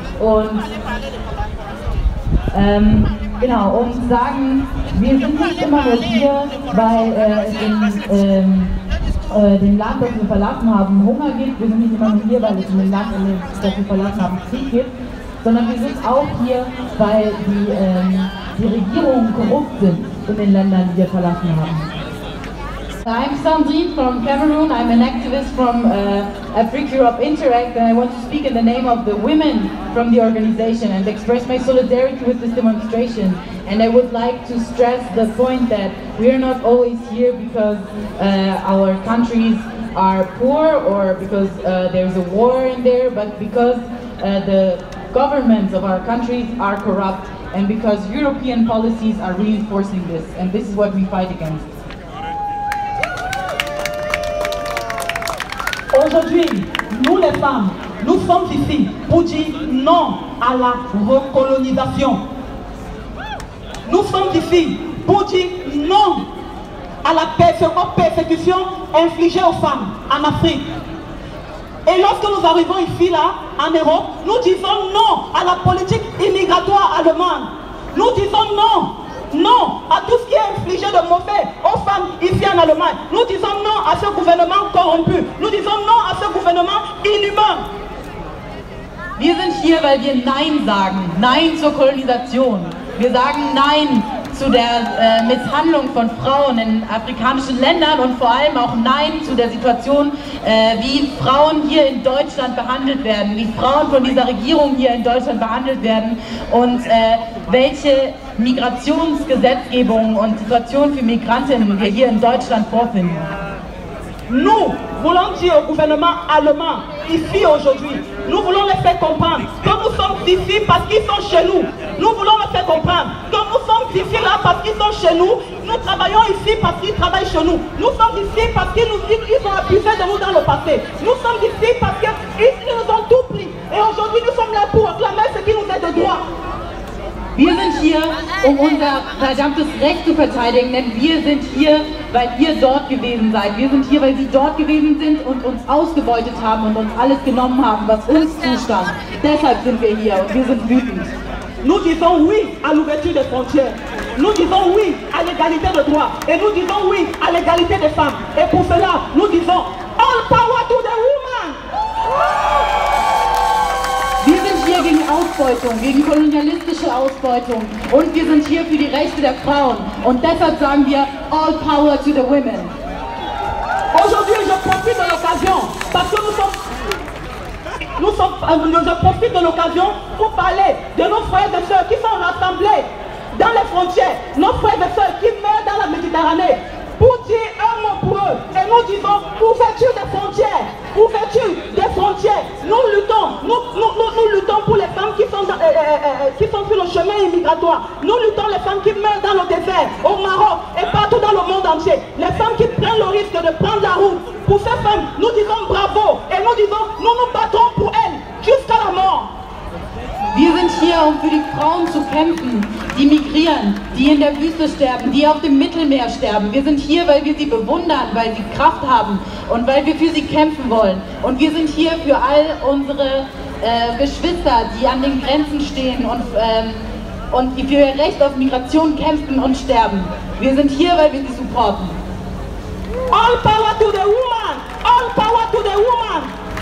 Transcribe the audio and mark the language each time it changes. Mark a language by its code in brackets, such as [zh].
[de] Und genau, um zu sagen, wir sind nicht immer nur hier, weil dem Land, das wir verlassen haben, Hunger gibt. Wir sind nicht immer nur hier, weil es in dem Land, das wir verlassen haben, Krieg gibt. Sondern wir sind auch hier, weil die Regierungen korrupt sind in den Ländern, die wir verlassen haben. [en] I'm Sandrine from Cameroon. I'm an activist from Afrique Europe Interact, and I want to speak in the name of the women from the organization and express my solidarity with this demonstration. And I would like to stress the point that we are not always here because our countries are poor or because there's a war in there, but because the governments of our countries are corrupt and because European policies are reinforcing this, and this is what we fight against. [fr] Aujourd'hui, nous les femmes, nous sommes ici pour dire non à la recolonisation. Nous sommes ici pour dire non à la persécution infligée aux femmes en Afrique. Et lorsque nous arrivons ici, là, en Europe, nous disons non à la politique immigratoire allemande. Nous disons non, non à tout ce qui est infligé de mauvais aux femmes ici en Allemagne. Nous disons non à ce gouvernement corrompu. Nous disons non à ce gouvernement inhumain. [de] Wir sind hier, weil wir Nein sagen. Nein zur Kolonisation. Wir sagen Nein zu der Misshandlung von Frauen in afrikanischen Ländern und vor allem auch Nein zu der Situation, wie Frauen hier in Deutschland behandelt werden, wie Frauen von dieser Regierung hier in Deutschland behandelt werden und welche Migrationsgesetzgebung und Situation für Migrantinnen wir hier in Deutschland vorfinden. [fr] Nous voulons dire au gouvernement allemand ici aujourd'hui, nous voulons les faire comprendre que nous sommes ici parce qu'ils sont chez nous. Nous voulons les faire comprendre que nous sommes ici là parce qu'ils sont chez nous. Nous travaillons ici parce qu'ils travaillent chez nous. Nous sommes ici parce qu'ils nous disent qu'ils ont abusé de nous dans le passé. Nous sommes ici parce qu'ils nous ont tout pris. Et aujourd'hui, nous sommes là pour réclamer ce qui nous est de droit. [de] Wir sind hier, um unser verdammtes Recht zu verteidigen, denn wir sind hier, weil ihr dort gewesen seid. Wir sind hier, weil sie dort gewesen sind und uns ausgebeutet haben und uns alles genommen haben, was uns zustand. Deshalb sind wir hier und wir sind wütend. [fr] Nous disons oui à l'ouverture des frontières. Nous disons oui à l'égalité de droit. Et nous disons oui à l'égalité des femmes. Et pour cela, nous disons [en] all power to the woman. [de] Gegen Ausbeutung, gegen kolonialistische Ausbeutung und wir sind hier für die Rechte der Frauen und deshalb sagen wir [en] all power to the women. [fr] Je profite de l'occasion pour parler de nos frères et sœurs qui sont rassemblés dans les frontières, nos frères et sœurs qui meurent dans la Méditerranée pour dire un mot pour eux et nous disons ouverture des frontières. Ouverture des frontières, nous luttons, nous luttons pour les femmes qui sont sur le chemin immigratoire. Nous luttons les femmes qui meurent dans le désert, au Maroc et partout dans le monde entier. Les femmes qui prennent le risque de prendre la route. Pour ces femmes, nous disons bravo et nous disons nous nous battrons pour elles jusqu'à la mort. [de] Wir sind hier, um für die Frauen zu kämpfen, die migrieren, die in der Wüste sterben, die auf dem Mittelmeer sterben. Wir sind hier, weil wir sie bewundern, weil sie Kraft haben und weil wir für sie kämpfen wollen. Und wir sind hier für all unsere Geschwister, die an den Grenzen stehen und die für ihr Recht auf Migration kämpfen und sterben. Wir sind hier, weil wir sie supporten. [en] All power to the woman! All power to the woman!